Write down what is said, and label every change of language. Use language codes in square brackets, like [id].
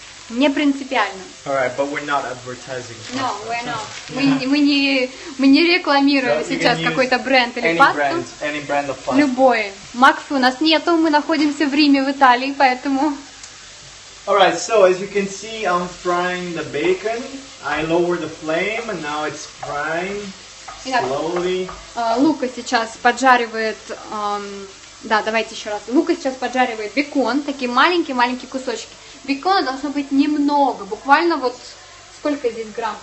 [ru] Не принципиально. [en] All right, but we're not advertising. No, we're not. [ru] Мы не рекламируем сейчас какой-то бренд или пасту. [en] Any brand of pasta. [ru] Любой. Макфы у нас нету, мы находимся в Риме, в Италии, поэтому... [en] All right, so as you can see, I'm frying the bacon. I lower the flame, and now it's frying slowly. [ru] Лука сейчас поджаривает... Да, давайте еще раз. Лука сейчас поджаривает бекон, такие маленькие-маленькие кусочки. Бекона должно быть немного, буквально вот сколько здесь грамм?